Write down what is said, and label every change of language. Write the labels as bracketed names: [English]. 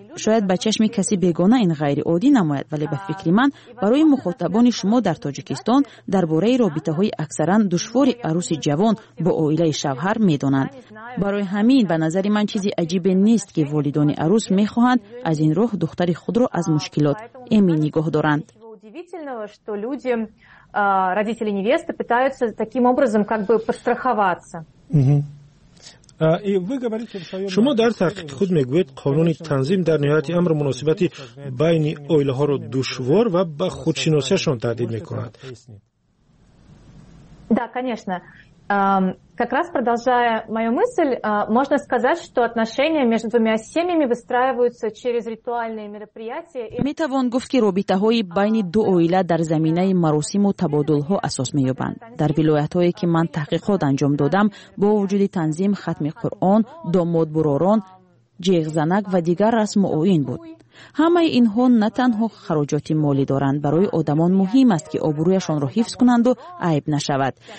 [Tajik] шояд ба чашми касе бегона ин ғайриоддӣ намояд, вале ба фикри ман барои мухотабони шумо дар Тоҷикистон дар бораи робитаҳои аксаран душвори аруси ҷавон бо оилаи шавҳар медонанд. барои ҳамин ба назари ман чизи аҷибе нест ки волидони арус мехоҳанд аз ин роҳ духтари худро аз мушкилот эмин нигоҳ доранд. [Russian] родители невесты пытаются таким образом как бы подстраховаться. [Tajik] шумо дар таҳқиқи худ мегӯед қонуни танзим дар ниҳояти амр муносибати байни оилаҳоро душвор ва ба худшиносиашон таҳдид мекунад. [Russian] да, конечно. как раз продолжая мою мысль, можно сказать, что отношения между двумя семьями выстраиваются через ритуальные мероприятия. [Tajik] метавон гуфт ки робитаҳои байни ду оила дар заминаи маросиму табодулҳо асос меёбанд. дар вилоятҳое ки ман таҳқиқот анҷом додам, бо вуҷуди танзим хатми Қуръон, домодбуророн, ҷиғзанак ва дигар расму оин буд. ҳамаи инҳо на танҳо хароҷоти молӣ доранд, барои одамон муҳим аст ки обрӯяшонро ҳифз кунанду айб нашавад.